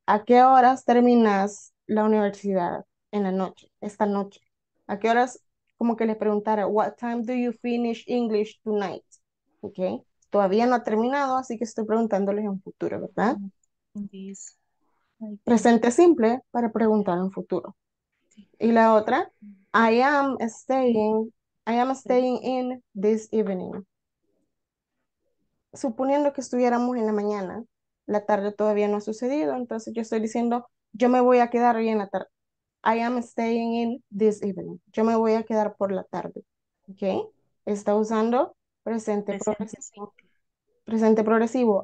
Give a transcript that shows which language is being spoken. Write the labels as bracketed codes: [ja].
[es] ¿A qué horas terminas la universidad en la noche, esta noche? ¿A qué horas, como que les preguntara, [en] what time do you finish English tonight? [es] Ok, todavía no ha terminado, así que estoy preguntándoles en futuro, ¿verdad? Presente simple para preguntar en futuro. Y la otra, [en] I am staying in this evening. [es] Suponiendo que estuviéramos en la mañana, la tarde todavía no ha sucedido, entonces yo estoy diciendo, yo me voy a quedar hoy en la tarde. [en] I am staying in this evening. [es] Yo me voy a quedar por la tarde. Ok, está usando... Presente progresivo.